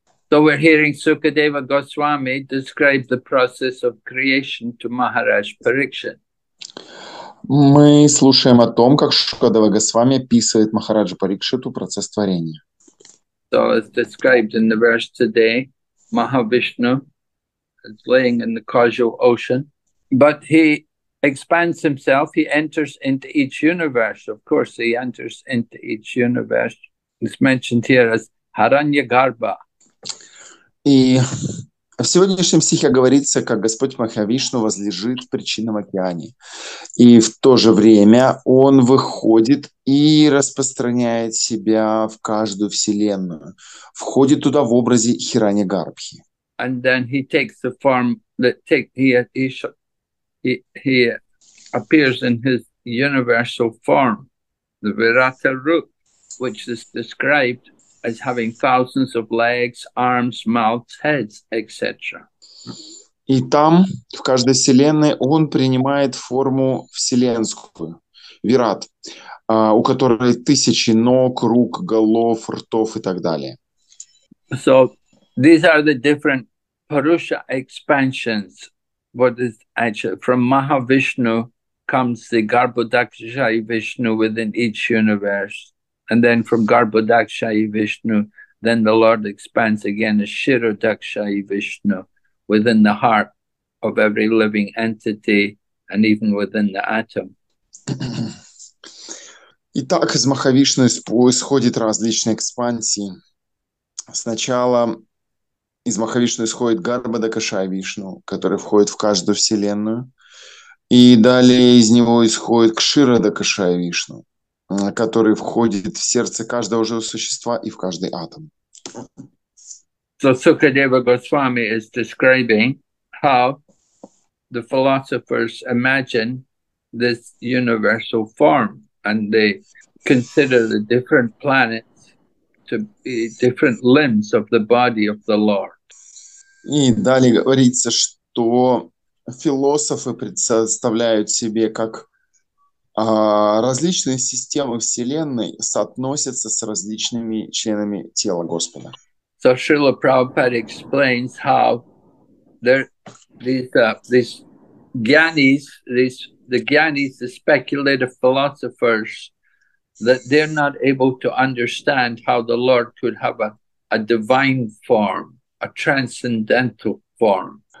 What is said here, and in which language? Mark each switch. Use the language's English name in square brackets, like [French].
[English] So we're hearing Sukadeva Goswami describe the process of creation to Maharaj Parikshit. [Russian] Мы слушаем о том, как Шукадева Госвами описывает Махараджа Парикшиту процесс творения. [English] So as described in the verse today, Mahavishnu is laying in the causal ocean, but he expands himself, he enters into each universe. Of course, he enters into each universe. It's mentioned here as Haranyagarbha. [Russian] И в сегодняшнем стихе говорится, как Господь Махавишну возлежит в причинном океане. И в то же время он выходит и распространяет себя в каждую вселенную. Входит туда в образе Хираньягарбхи. [English] And then he takes the form that he appears in his universal form, the Virata Rup, which is described as having thousands of legs, arms, mouths, heads, etc. [Russian] И там, в каждой вселенной, он принимает форму вселенскую, Вират, у которой тысячи ног, рук, голов, ртов и так далее. [English] So these are the different Purusha expansions, what is actually from Mahavishnu comes the Garbhodakshayi Vishnu within each universe, and then from Garbhodakshayi Vishnu, then the Lord expands again as Shirodakshayi Vishnu within the heart of every living entity and even within the atom. [Russian] Итак, из Махавишну исходит различные экспансии. Сначала из Махавишну исходит Гарбхадакшайи Вишну, который входит в каждую вселенную. И далее из него исходит Кширадакшайи Вишну, который входит в сердце каждого живого существа и в каждый атом. [English] So Sukadeva Goswami is describing how the philosophers imagine this universal form, and they consider the different planets to be different limbs of the body of the Lord. [Russian] И далее говорится, что философы представляют себе, как различные системы Вселенной соотносятся с различными членами тела Господа. [English] So Srila Prabhupada explains how these gyanis, the gyanis, the speculative philosophers, that they're not able to understand how the Lord could have a divine form, a transcendental form.